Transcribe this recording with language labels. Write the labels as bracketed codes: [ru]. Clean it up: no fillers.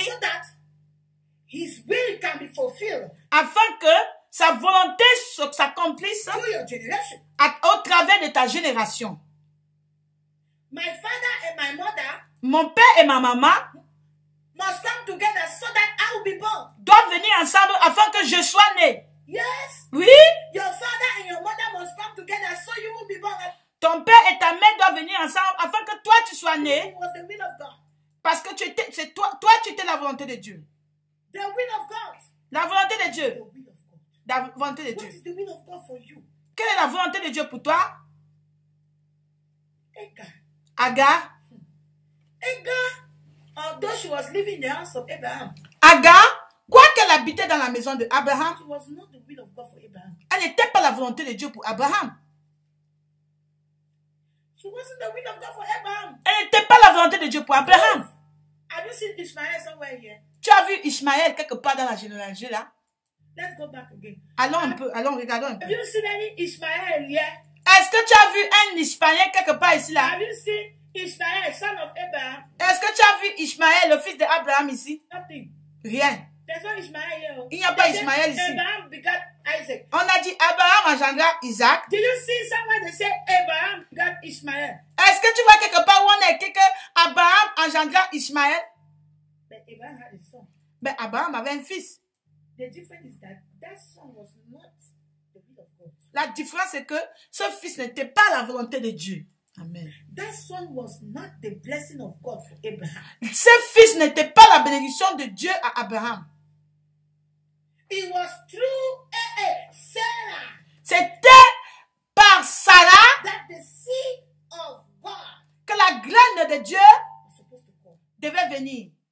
[en] So that his will can be fulfilled. [fr] Afin que sa volonté s'accomplisse. [en] Through your generation. [fr] Au travers de ta génération. [en] My father and my mother. [fr] Mon père et ma maman. [en] Must come together so that I will be born. [fr] Doivent venir ensemble afin que je sois né. [en] Yes. [fr] Oui. [en] Your father and your mother must come together so you will be born. [fr] Ton père et ta mère doivent venir ensemble afin que toi tu sois né. [en] It was the will of God. [fr] Parce que tu étais la volonté de Dieu. [en] The will of God. [fr] La volonté de Dieu. [en] The will of God. [fr] La volonté de [en] What [fr] Dieu. [en] What is the will of God for you? [fr] Quelle est la volonté de Dieu pour toi? Agar. Agar. Agar. [en] Although she was living in the house of Abraham. Agar. [fr] Quoi qu'elle habitait dans la maison de Abraham, [en] it was not the will of God for Abraham. [fr] Elle n'était pas la volonté de Dieu pour Abraham. [en] She wasn't the will of God for Abraham. [fr] Elle n'était pas la volonté de Dieu pour Abraham. [en] Have you seen Ishmael somewhere here? [fr] Tu as vu Ishmael quelque part dans la généalogie là? [en] Let's go back again. [fr] Regardons un peu. [en] Have you seen any Ishmael here? [fr] Est-ce que tu as vu un Ishmael quelque part ici là? [en] Have you seen Ishmael, son of Abraham? [fr] Est-ce que tu as vu Ishmael, le fils d'Abraham ici? [en] Nothing. [fr] Rien. [en] Ishmael. [fr] Il n'y a pas Ismaël ici. [en] Abraham begat Isaac. [fr] On a dit Abraham engendra Isaac. [en] Did you see someone that said Abraham begat Ishmael? [fr] Est-ce que tu vois quelque part où on a écrit que Abraham engendra Ishmael? [en] But Abraham had a son. [fr] Mais Abraham avait un fils. [en] The difference is that that son was not the will of God. [fr] La différence est que ce fils n'était pas la volonté de Dieu. [en] Amen. That son was not the blessing of God for Abraham. [fr] Ce fils n'était pas la bénédiction de Dieu à Abraham. [en] It was through Sarah. [fr] C'était par Sarah [en] that the seed of God [fr] que la graine de Dieu devait venir.